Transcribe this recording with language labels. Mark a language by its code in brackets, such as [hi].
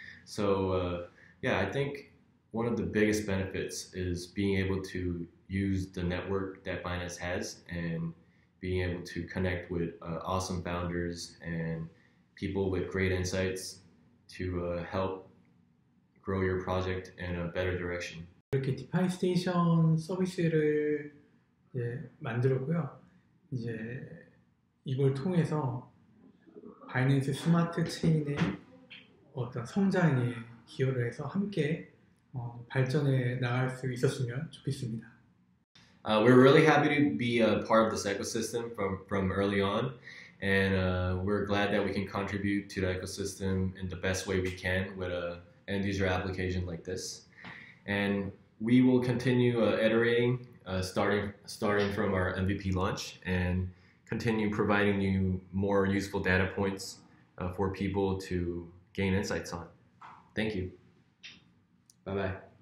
[en] So yeah, I think one of the biggest benefits is being able to use the network that Binance has and being able to connect with awesome founders and people with great insights to help grow your project in a better direction. [ko] 이렇게 Defistation 서비스를 이제 만들었고요. 이제 이걸 통해서 바이낸스 스마트 체인의 어떤 성장에 기여를 해서 함께 발전해 나갈 수 있었으면 좋겠습니다. [en] We're really happy to be a part of this ecosystem from early on, and we're glad that we can contribute to the ecosystem in the best way we can with an end user application like this. And we will continue iterating, starting from our MVP launch, and continue providing you more useful data points for people to gain insights on. Thank you. Bye-bye.